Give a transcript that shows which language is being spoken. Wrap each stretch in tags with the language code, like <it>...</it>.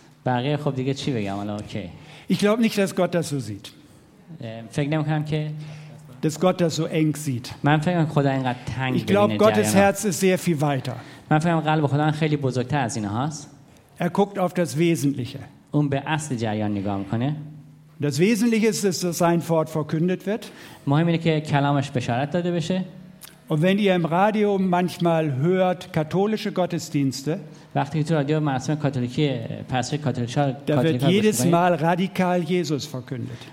<fa>بقیه خب دیگه چی بگم الان اوکی.</fa> <de>Ich glaube nicht, dass Gott das so sieht.</de> <fa>فکر نمی‌کنم که</fa> <de>dass Gott das so eng sieht.</de> <fa>من فکر می‌کنم خدا اینقدر تنگ</fa> <de>ببینه. Ich glaube, Gottes Herz ist sehr viel weiter.</de> <fa>من فکر می‌کنم قلب خدا خیلی بزرگتر از اینا هست.</fa> <de>Er guckt auf das Wesentliche.</de> <fa>اون به اصل جریان نگاه می‌کنه.</fa> <de>Das Wesentliche ist, dass sein Wort verkündet wird.</de> <fa>مهم اینه که کلامش بشارت داده بشه.</fa> <de>Und wenn ihr im Radio manchmal hört katholische Gottesdienste, da wird jedes Mal radikal Jesus verkündet.</de>